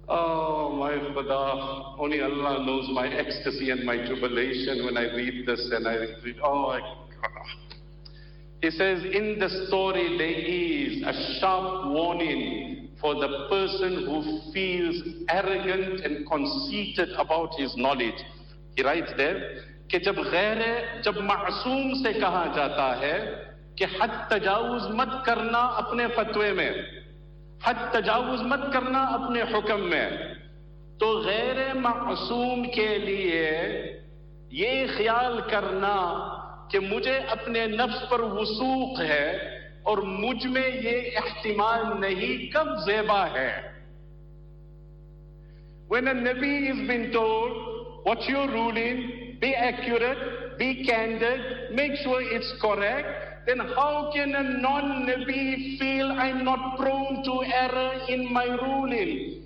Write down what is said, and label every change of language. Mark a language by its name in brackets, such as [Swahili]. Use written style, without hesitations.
[English] Oh my God, only Allah knows my ecstasy and my jubilation when I read this, and I read, oh my God. He says, in the story there is a sharp warning for the person who feels arrogant and conceited about his knowledge. [Urdu] He writes there, کہ جب غیر جب معصوم سے کہا جاتا ہے کہ حد تجاوز مت کرنا اپنے فتوے میں, حد تجاوز مت کرنا اپنے حکم میں, تو غیر معصوم کے لیے یہ خیال کرنا کہ مجھے اپنے نفس پر وثوق ہے اور مجھ میں یہ احتمال نہیں کب زیبا ہے. [English] When a Nabi has been told, what's your ruling, be accurate, be candid, make sure it's correct, then how can a non-Nabi feel I'm not prone to error in my ruling?